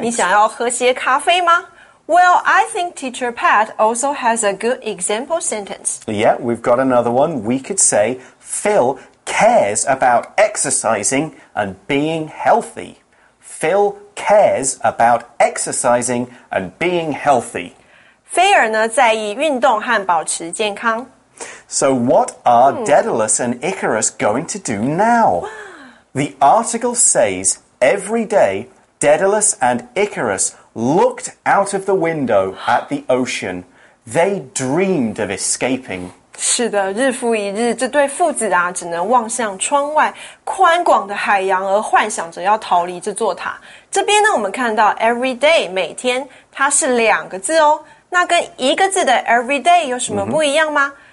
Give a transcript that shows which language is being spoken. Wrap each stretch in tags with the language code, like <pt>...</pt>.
<zh>你想要喝些咖啡吗?</zh> <en>Well, I think teacher Pat also has a good example sentence. Yeah, we've got another one. We could say, Phil cares about exercising and being healthy. Phil cares about exercising and being healthy.</en> <zh>菲尔呢在意运动和保持健康。</zh> <en>So what are Daedalus and Icarus going to do now? The article says every day Daedalus and Icarus looked out of the window at the ocean. They dreamed of escaping.</en> <zh>是的，日复一日，这对父子啊只能望向窗外宽广的海洋而幻想着要逃离这座塔。这边呢我们看到 every day 每天它是两个字哦。那跟一个字的 everyday 有什么不一样吗、mm-hmm.</zh>